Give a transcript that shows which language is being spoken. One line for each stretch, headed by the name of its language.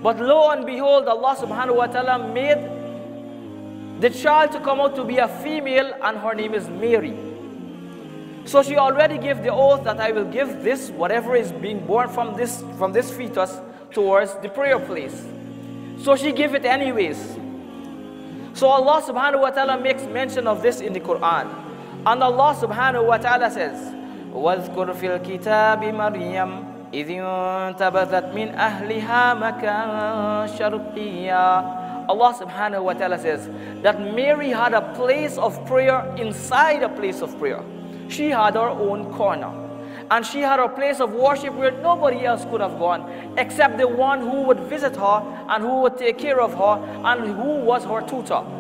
English: But lo and behold, Allah subhanahu wa ta'ala made the child to come out to be a female, and her name is Mary. So she already gave the oath that I will give this, whatever is being born from this fetus, towards the prayer place. So she gave it anyways. So Allah subhanahu wa ta'ala makes mention of this in the Quran. And Allah subhanahu wa ta'ala says,
Arabic: وَذْكُرْ فِي الْكِتَابِ مَرْيَمْ إِذْ يُنْتَبَذَتْ مِنْ أَهْلِهَا مَكَانْ شَرْقِيًّا.
English: Allah subhanahu wa ta'ala says that Mary had a place of prayer inside a place of prayer. She had her own corner. And she had a place of worship where nobody else could have gone except the one who would visit her and who would take care of her and who was her tutor.